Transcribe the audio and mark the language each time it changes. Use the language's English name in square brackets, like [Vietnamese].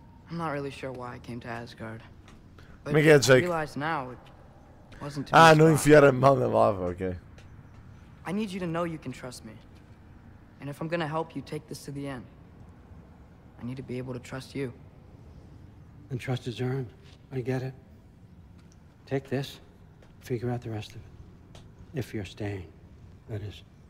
[English] I'm not really sure why I came to Asgard. But me get Jake. I realize now it wasn't too [Portuguese] Ah, não enfiar a mão na lava, [English] okay. I need you to know you can trust me. And if I'm gonna help you take this to the end, I need to be able to trust you. And trust is earned. I get it. Take this, figure out the rest of it. If you're staying, that is.